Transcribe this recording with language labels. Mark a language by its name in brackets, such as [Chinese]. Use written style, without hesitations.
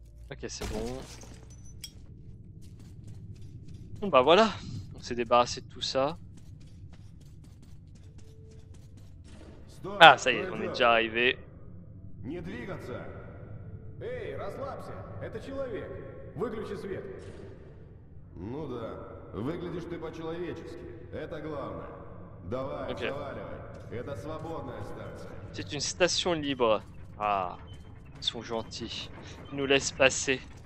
[French] Ok, c'est bon. Bon bah voilà, on s'est débarrassé de tout ça. Ah, ça y est, on est déjà arrivé. [Russian] Не двигаться. Эй, расслабься. Это человек. Выключи свет. Ну да. Выглядишь ты по-человечески. Это главное. Давай, заваливай. Это свободная станция. [French] C'est une station libre. Ah, ils sont gentils. Ils nous laissent passer.